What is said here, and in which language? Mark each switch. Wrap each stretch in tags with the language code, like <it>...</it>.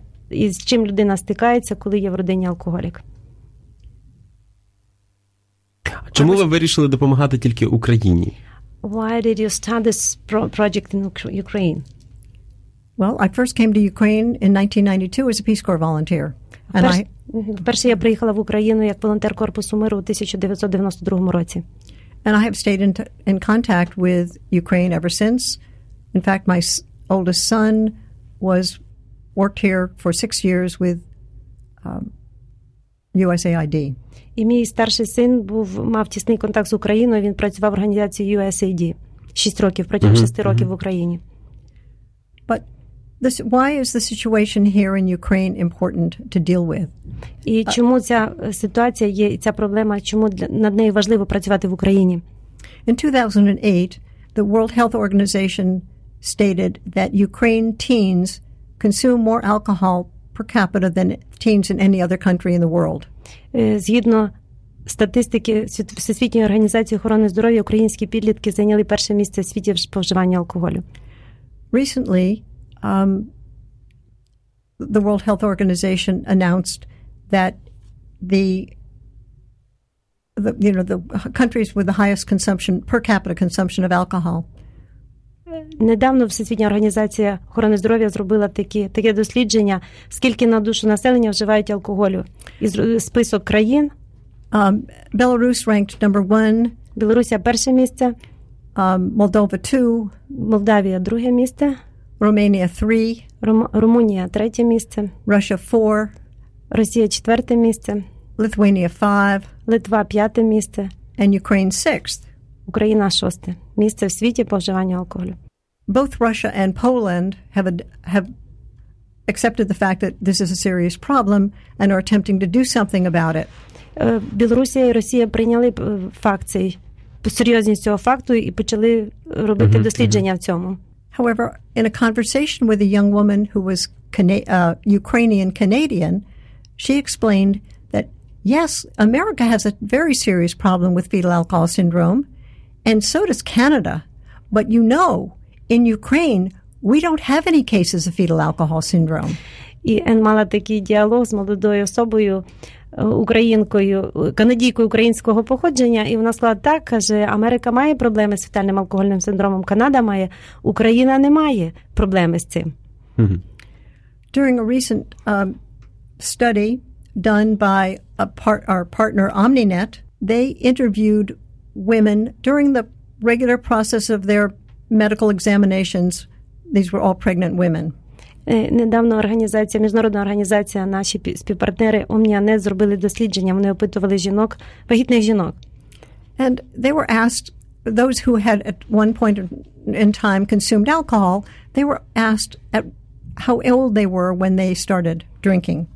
<uk>З чим людина стикається, коли є в родині алкоголік. Чому ви вирішили допомагати тільки Україні?</uk> <en>Why did you start this project in Ukraine? Well, I first came to Ukraine in 1992 as a Peace Corps volunteer.</en> <uk>Вперше я приїхала в Україну як волонтер Корпусу миру у 1992 році.</uk> <en>And I have stayed in contact with Ukraine ever since. In fact, my oldest son worked here for 6 years with USAID.</en> <uk>І мій старший син мав тісний контакт з Україною, він працював в організації USAID 6 років, протягом 6 років в Україні.</uk> <en>Why is the situation here in Ukraine important to deal with?</en> <uk>І чому ця ситуація є, ця проблема, чому над нею важливо працювати в Україні?</uk> <en>In 2008, the World Health Organization stated that Ukraine teens consume more alcohol per capita than teens in any other country in the world.</en> <uk>Згідно статистики Всесвітньої організації охорони здоров'я українські підлітки зайняли перше місце в світі в споживанні алкоголю.</uk> <en>Recently, the World Health Organization announced that the countries with the highest consumption per capita consumption of alcohol.</en> <uk>Недавно Всесвітня організація охорони здоров'я зробила таке дослідження, скільки на душу населення вживають алкоголю. І список країн.</uk> <en>Belarus ranked number one.</en> <uk>Білорусія перше місце.</uk> <en>Moldova two.</en> <uk>Молдавія друге місце.</uk> <en>Romania three.</en> <uk>Румунія третє місце.</uk> <en>Russia four.</en> <uk>Росія четверте місце.</uk> <en>Lithuania five.</en> <uk>Литва п'яте місце.</uk> <en>And Ukraine sixth.</en> <uk>Україна шосте місце в світі по вживанню алкоголю.</uk> <en>Both Russia and Poland have accepted the fact that this is a serious problem and are attempting to do something about it.</en> <uk>Білорусія і Росія прийняли факт цей, серйозність цього факту і почали робити mm-hmm. дослідження mm-hmm. в цьому.</uk> <en>However, in a conversation with a young woman who was Ukrainian-Canadian, she explained that, yes, America has a very serious problem with fetal alcohol syndrome, and so does Canada. But you know, in Ukraine, we don't have any cases of fetal alcohol syndrome.</en> <uk>І Енн мала такий діалог з молодою особою, українкою, канадійкою українського походження, і вона сказала так, каже, Америка має проблеми з фетальним алкогольним синдромом, Канада має, Україна не має проблеми з цим.</uk> <en>During a recent study done by our partner OmniNet, they interviewed women during the regular process of their medical examinations. These were all pregnant women.</en> <uk>Недавно організація, міжнародна організація, наші співпартнери OmniNet зробили дослідження, вони опитували жінок, вагітних жінок.</uk> <en>And they were asked, those who had at one point in time consumed alcohol, they were asked at how old they were when they started drinking.</en>